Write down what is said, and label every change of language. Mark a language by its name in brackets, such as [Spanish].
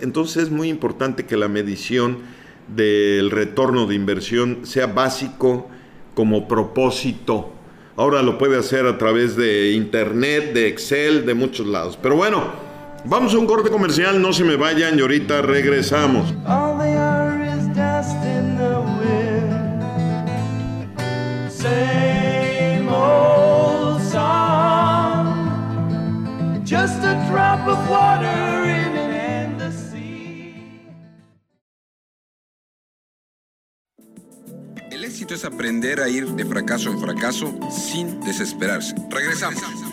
[Spanish] Entonces es muy importante que la medición del retorno de inversión sea básico como propósito. Ahora lo puede hacer a través de internet, de Excel, de muchos lados. Pero bueno, vamos a un corte comercial, no se me vayan y ahorita regresamos. [English] All they are is dust in the wind. Same old song. Just a drop of water in an endless sea. [Spanish] éxito es aprender a ir de fracaso en fracaso sin desesperarse. Regresamos.